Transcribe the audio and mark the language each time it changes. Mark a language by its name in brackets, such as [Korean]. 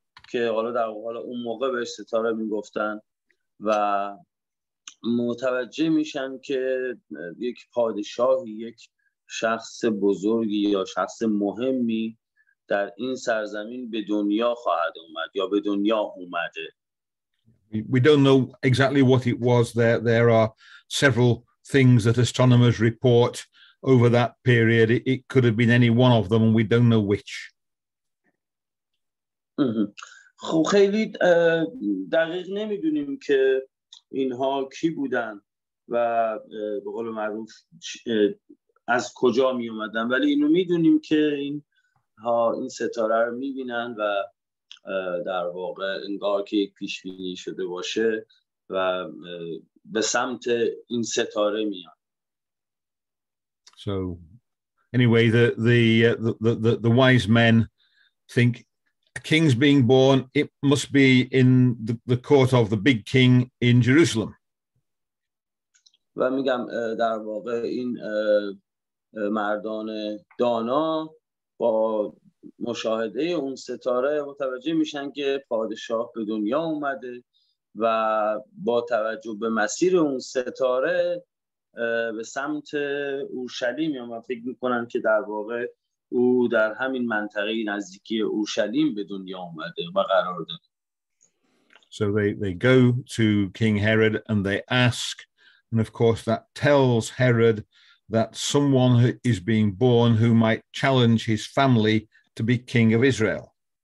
[Persian] که حالا در واقع اون موقع به ستاره میگفتن و متوجه میشن که یک پادشاهی، یک شخص بزرگی یا شخص مهمی در این سرزمین به دنیا خواهد اومد یا به دنیا اومده. [English] We don't know exactly what it was. There are several things that astronomers report over that period. It could have been any one of them, and we don't know which. [Persian] خب خیلی دقیق نمیدونیم که اینها کی بودن و به قول معروف از کجا می اومدن، ولی اینو میدونیم که اینها این ستاره رو میبینن و در واقع انگار که یک پیش بینی شده باشه و به سمت این ستاره میان. [English] So anyway, the wise men think a king's being born, it must be in the court of the big king in Jerusalem. [Persian] و میگم در واقع این مردان دانا با مشاهده اون ستاره متوجه میشن که پادشاه به دنیا اومده و با توجه به مسیر اون ستاره به سمت اورشلیم میان و فکر میکنن که در واقع او در همین منطقه نزدیکی اورشلیم به دنیا اومده و قرار داره. [English] So they go to King Herod and they ask, and of course that tells Herod that someone is being born who might challenge his family to be king of Israel.